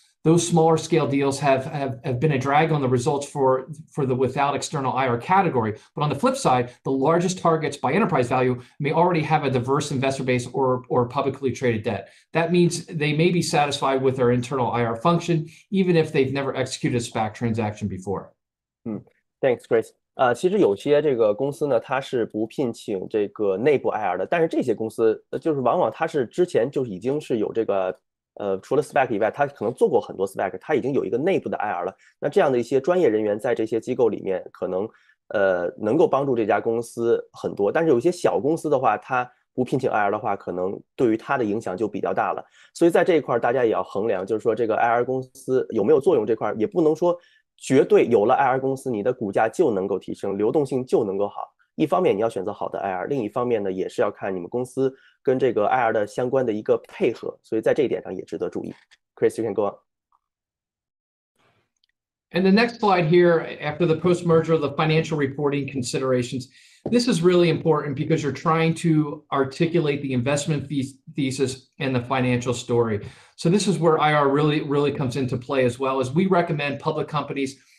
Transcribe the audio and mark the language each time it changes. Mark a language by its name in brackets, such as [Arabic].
[English] Those smaller scale deals have been a drag on the results for the without external IR category. But on the flip side, the largest targets by enterprise value may already have a diverse investor base or publicly traded debt. That means they may be satisfied with their internal IR function, even if they've never executed a SPAC transaction before. Thanks, Chris. [Chinese] 其实有些这个公司呢，它是不聘请这个内部 IR 的，但是这些公司就是往往它是之前就已经是有这个除了 SPAC 以外，他可能做过很多 SPAC， 他已经有一个内部的 IR 了。那这样的一些专业人员在这些机构里面，可能能够帮助这家公司很多。但是有一些小公司的话，他不聘请 IR 的话，可能对于他的影响就比较大了。所以在这一块，大家也要衡量，就是说这个 IR 公司有没有作用这块，也不能说绝对有了 IR 公司，你的股价就能够提升，流动性就能够好。一方面你要选择好的 IR， 另一方面呢，也是要看你们公司跟这个 IR 的相关的一个配合，所以在这一点上也值得注意。 [English] Chris, you can go on. And the next slide here, after the post-merger, the financial reporting considerations. This is really important because you're trying to articulate the investment thesis and the financial story. So this is where IR really, really comes into play as well, as we recommend public companies.